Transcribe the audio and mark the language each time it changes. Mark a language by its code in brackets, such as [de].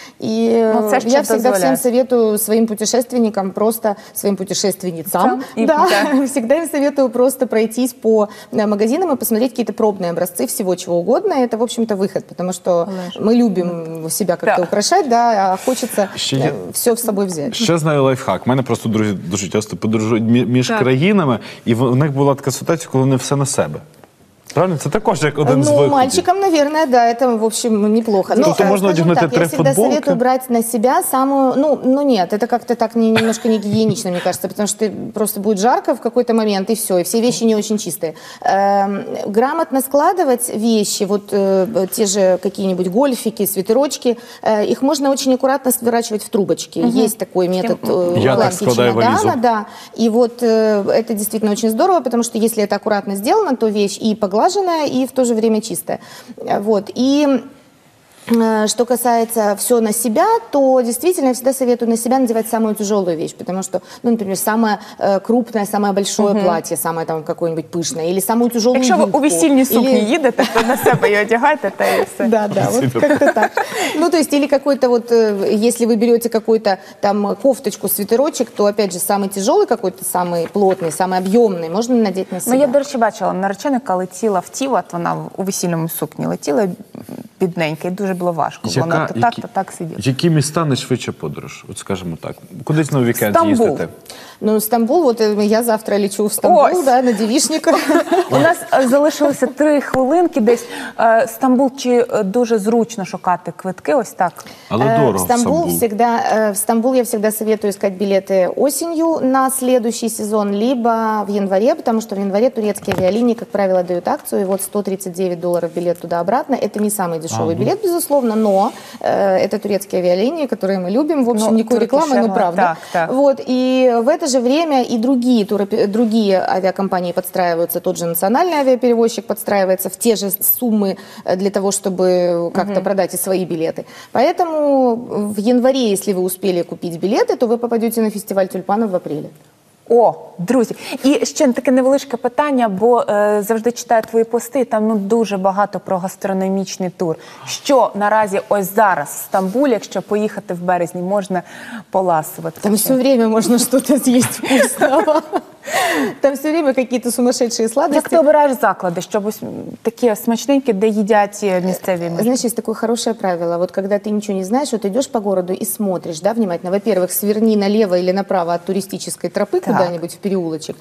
[ru] И я всегда всем советую своим путешественникам, просто своим путешественницам, всегда им советую просто пройти походить по магазинам и посмотреть какие-то пробные образцы всего чего угодно. И это, в общем-то, выход, потому что мы любим себя как-то украшать, да, а хочется [uk] все з собою взяти. Ще знаю лайфхак. У мене просто друзі дуже часто подорожують між країнами, і в них була така ситуація, коли вони все на себе. Правильно? Це також як один з виходів. [ru] Ну, мальчикам, [uk] мабуть, да, це, [ru] в общем, неплохо. [uk] Ну, тобто можна одягнути три футболки? [ru] Я всегда советую брать на себя самую... Ну, нет, это как-то так немножко не гигиенично, мне кажется, потому что просто будет жарко в какой-то момент, и все, и все вещи не очень чистые. Грамотно складывать вещи, вот те же какие-нибудь гольфики, свитерочки, их можно очень аккуратно сворачивать в трубочки. Угу. Есть такой метод укладки чемодана, да. И вот это действительно очень здорово, потому что если это аккуратно сделано, то вещь и поглаженная, и в то же время чистая. Вот. И что касается все на себя, то действительно я всегда советую на себя надевать самую тяжелую вещь, потому что, ну, например, самое крупное, самое большое платье, самое там какое-нибудь пышное, или самую тяжелую юбку. Если вы у весенней сукни или... едете, то на себя ее одевать, это и все. Да, да, вот как-то так. Ну, то есть, или какой-то вот, если вы берете какую-то там кофточку, свитерочек, то, опять же, самый тяжелый какой-то, самый плотный, самый объемный, можно надеть на себя. [uk] Ну, я, до речі, бачила, нареченка летіла в тіло, от вона у весільному сукні летіла бідненька, і дуже було важко, бо вона так, то так сиділа. Які міста найшвидше подорож? От скажімо так. Кудись на вікенд їздити? Ну, Стамбул, от я завтра лечу в Стамбул, да, на дівішніка. У нас залишилося 3 хвилинки десь. Стамбул, чи дуже зручно шукати квитки, ось так? Але дорого в Стамбул. [ru] В Стамбул [uk] я завжди [ru] советую искать билеты осенью на следующий сезон, либо в январе, потому что в январе турецкие авиалинии, как правило, дают акцию, и вот $139 билет туда-обратно. Это не самый дешевый билет, безусловно, но это турецкие авиалинии, которые мы любим, в общем, никакой рекламы, но правда. Вот, и в это же время и другие авиакомпании подстраиваются, тот же национальный авиаперевозчик подстраивается в те же суммы для того, чтобы как-то продать и свои билеты. Поэтому в январе, если вы успели купить билеты, то вы попадете на фестиваль тюльпанов в апреле. [uk] О, друзі, і ще таке невеличке питання, бо завжди читаю твої пости, там дуже багато про гастрономічний тур. Що наразі ось зараз в Стамбулі, якщо поїхати в березні, можна поласувати? Там все время можна щось з'їсти вкусного. [ru] Там все время какие-то сумасшедшие сладости. Как ты выбираешь заклады, чтобы такие смачненькие, да едят местные? Знаешь, есть такое хорошее правило. Вот когда ты ничего не знаешь, вот идешь по городу и смотришь, да, внимательно. Во-первых, сверни налево или направо от туристической тропы куда-нибудь в переулочек.